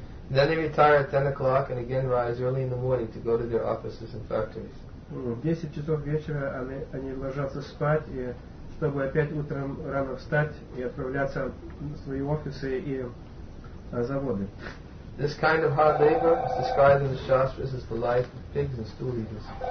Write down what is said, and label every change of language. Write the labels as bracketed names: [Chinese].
[English] Then they retire at 10 o'clock and again rise early in the morning to go to their offices and factories. [Russian] В 10 часов вечера они ложатся спать, и чтобы опять утром рано встать и отправляться в свои офисы и заводы. [English] This kind of hard labor is described in the Shastras as the life of pigs and stool eaters.